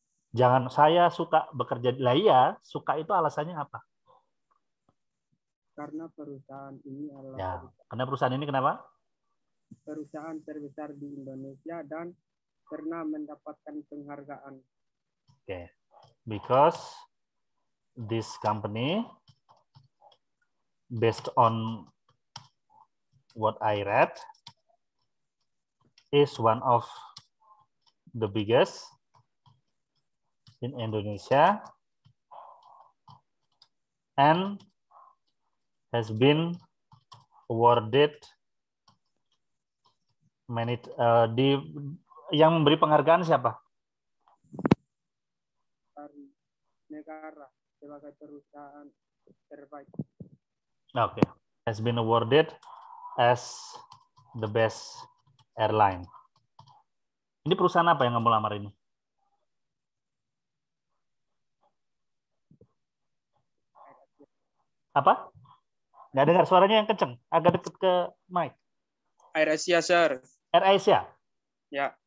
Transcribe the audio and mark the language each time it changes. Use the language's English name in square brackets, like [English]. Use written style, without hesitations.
[Indonesian] Jangan saya suka bekerja. Lah iya, suka itu alasannya apa? Karena perusahaan ini adalah ya, karena perusahaan ini kenapa? Perusahaan terbesar di Indonesia dan pernah mendapatkan penghargaan. Oke. Okay. [English] Because this company based on what I read is one of the biggest in Indonesia and has been awarded many [Indonesian] di yang memberi penghargaan siapa? Dari negara sebagai perusahaan terbaik. [English] Okay, has been awarded as the best airline. [Indonesian] Ini perusahaan apa yang kamu lamar ini? Apa? Nggak dengar suaranya yang kenceng. Agak dekat ke mic. [English] Air Asia, sir. Air Asia? [Indonesian] Ya.